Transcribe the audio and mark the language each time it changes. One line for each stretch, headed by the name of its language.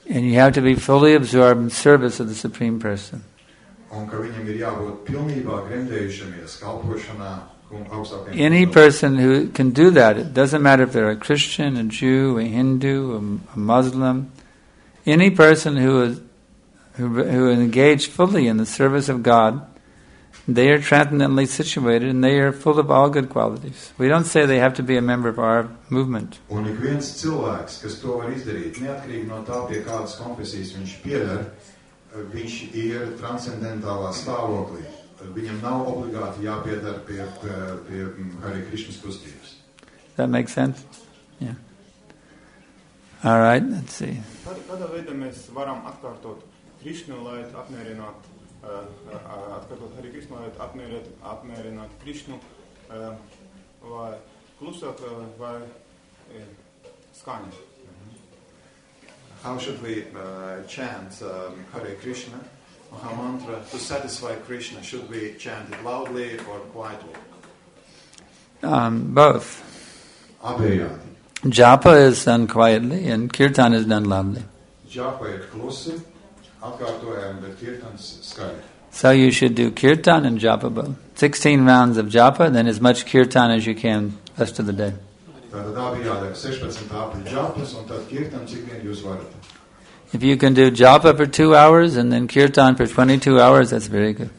English: And you have to be fully absorbed in service of the Supreme Person.
Latvian: Un ka viņam ir jābūt pilnībā grendējušamies kalpošanā un augstākajam.
English: Any person who can do that, it doesn't matter if they're a Christian, a Jew, a Hindu, a Muslim. Any person who engaged fully in the service of God, they are transcendentally situated and they are full of all good qualities. We don't say they have to be a member of our movement.
Latvian: Un ik viens cilvēks, kas to var izdarīt, neatkarīgi no tā, pie kādas konfesijas viņš pieder, viņš ir transcendentālā stāvoklī. Viņam nav obligāti jāpieder pie Hare Krishna kustības.
English: That makes sense? Yeah. All right, let's see.
Latvian: Prabhupada, kādā veidā mēs varam atkārtot Krišnu, lai apmierinātu atkārtot Hare Krishna, lai apmierinātu Krišnu, vai klusāk, vai skaņi.
English: How should we chant Hare Krishna, Maha Mantra, to satisfy Krishna? Should we chant it loudly or quietly? Both.
Latvian: Abejādi.
English: Japa is done quietly and kirtan is done loudly.
Latvian: Japa ir klusi, atkārtojam, bet kirtans skaļi.
English: So you should do kirtan and japa both. 16 rounds of japa, then as much kirtan as you can rest of the day.
Latvian: Tātad abejādi 16 apiņu japas un tad kirtan, cik vien jūs varat.
English: If you can do japa for 2 hours and then kirtan for 22 hours, that's very good.